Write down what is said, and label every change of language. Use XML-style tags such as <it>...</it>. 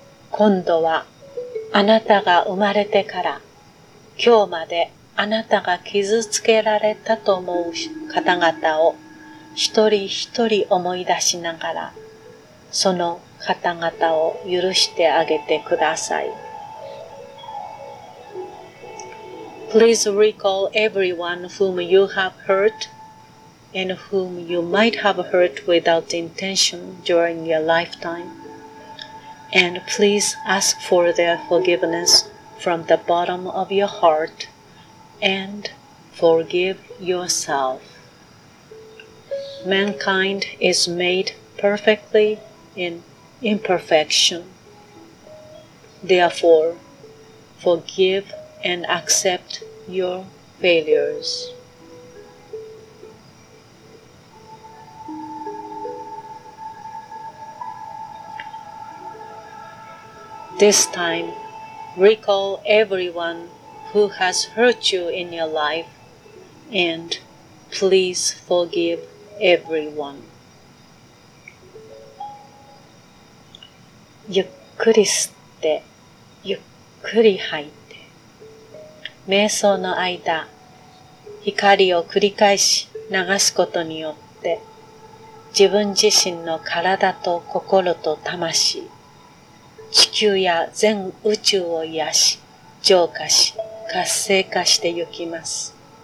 <ja>今度はあなたが生まれてから今日まであなたが傷つけられたと思う方々を一人一人思い出しながら、その方々を許してあげてください。</ja> <en>Please recall everyone whom you have hurt and whom you might have hurt without intention during your lifetime. And please ask for their forgiveness from the bottom of your heart and forgive yourself. Mankind is made perfectly in imperfection. Therefore, forgive and accept your failures. This time, recall everyone who has hurt you in your life, and please forgive everyone.</en> <ja>ゆっくり吸って、ゆっくり吐いて。瞑想の間、光を繰り返し流すことによって、自分自身の体と心と魂、地球や全宇宙を癒し、浄化し、活性化してゆきます。</ja>